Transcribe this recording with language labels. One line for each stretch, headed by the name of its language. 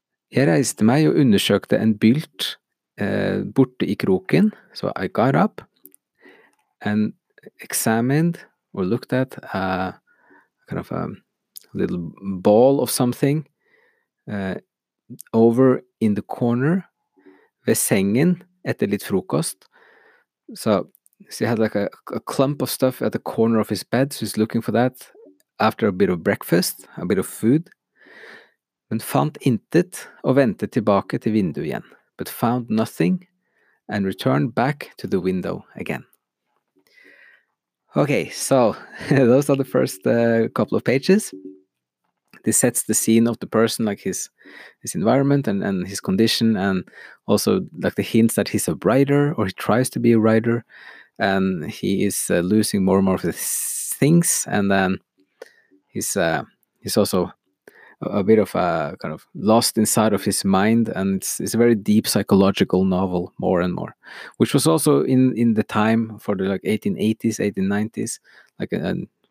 Norwegian: Jeg reiste meg og undersøkte en bylt borte I kroken,
English: so I got up and examined or looked at a kind of a little ball of something over in the corner
Norwegian: ved sengen etter litt frokost.
English: So he had like a clump of stuff at the corner of his bed, so he's looking for that after a bit of breakfast, a bit of food.
Norwegian: Men fant intet og vendte tilbake til vinduet igjen.
English: But found nothing and returned back to the window again. Okay, so those are the first couple of pages. This sets the scene of the person, like his environment and his condition, and also like the hints that he's a writer or he tries to be a writer, and he is losing more and more of his things, and then he's also a bit of a kind of lost inside of his mind, and it's a very deep psychological novel more and more, which was also in the time for the like 1880s, 1890s, like an